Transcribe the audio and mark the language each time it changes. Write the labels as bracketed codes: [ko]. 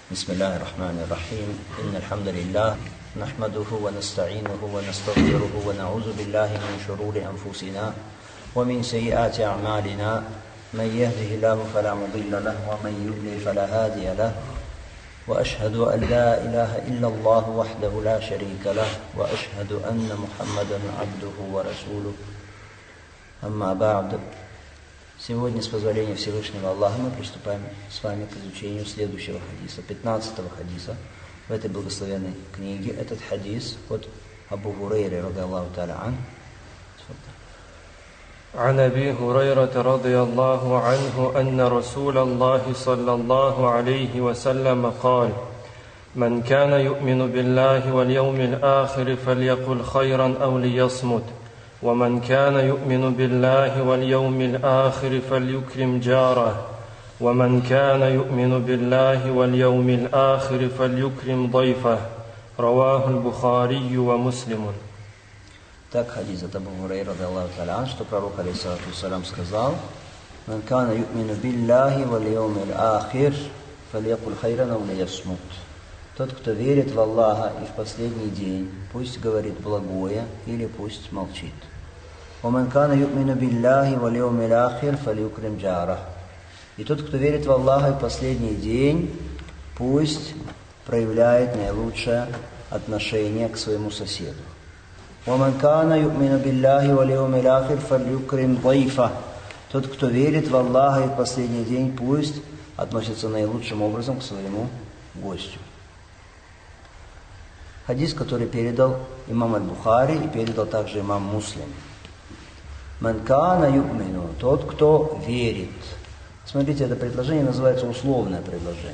[ar] بسم الله الرحمن الرحيم إن الحمد لله نحمده ونستعينه ونستغفره ونعوذ بالله من شرور أنفسنا ومن سيئات أعمالنا من يهده الله فلا مضل له ومن يضلل فلا هادي له وأشهد أن لا إله إلا الله وحده لا شريك له وأشهد أن محمدا عبده ورسوله أما بعد. [ru] Сегодня, с позволения Всевышнего Аллаха, мы приступаем с вами к изучению следующего хадиса, 15-го хадиса в этой благословенной книге. Этот хадис от Абу Хурейры, радиаллаху та'аля ан. [ar] عن أبي هريرة رضي الله عنه أن رسول الله صلى الله عليه وسلم قال من كان يؤمن بالله واليوم الآخر فليقل خيرا أو ليصمت ومن كان يؤمن بالله واليوم الآخر فليكرم جاره ومن كان يؤمن بالله واليوم الآخر فليكرم ضيفه رواه البخاري ومسلم. [ru] Так хадис от Абу Хурейры [ar] رضي الله تعالى عنه, [ru] что пророк алейхиссалату вассалям сказал: [ar] من كان يؤمن بالله واليوم الآخر فليقل خيرا أو ليصمت. [ru] Тот, кто верит в Аллаха и в последний день, пусть говорит благое или пусть молчит. [ar] ومن كان يؤمن بالله واليوم الآخر فليكرم جاره. [ru] И тот, кто верит в Аллаха и в последний день, пусть проявляет наилучшее отношение к своему соседу. [ar] ومن كان يؤمن بالله واليوم الآخر فليكرم ضيفه. [ru] Тот, кто верит в Аллаха и в последний день, пусть относится наилучшим образом к своему гостю. Хадис, который передал имам аль-Бухари и передал также имам Муслим. Ман кана юмину, тот, кто верит. Смотрите, это предложение называется условное предложение.